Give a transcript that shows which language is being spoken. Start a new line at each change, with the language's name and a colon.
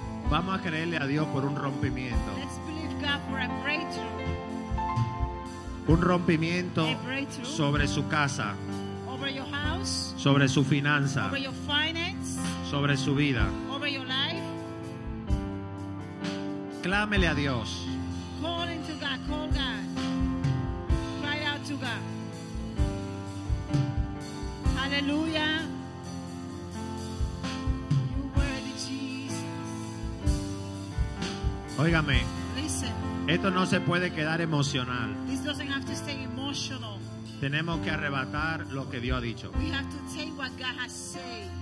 Spanish: Vamos a creerle a Dios por un rompimiento.
English: Let's believe God for a breakthrough.
Spanish: Un rompimiento
English: a breakthrough.
Spanish: Sobre su casa.
English: Over your house.
Spanish: Sobre su finanza.
English: Over your finance.
Spanish: Sobre su vida.
English: Over your life.
Spanish: Clámele a Dios.
English: Call into God, call God. Cry out to God. Aleluya. You were the Jesus.
Spanish: Óigame.
English: Listen.
Spanish: Esto no se puede quedar emocional.
English: This doesn't have to stay emotional.
Spanish: Tenemos que arrebatar lo que Dios ha dicho.
English: We have to take what God has said.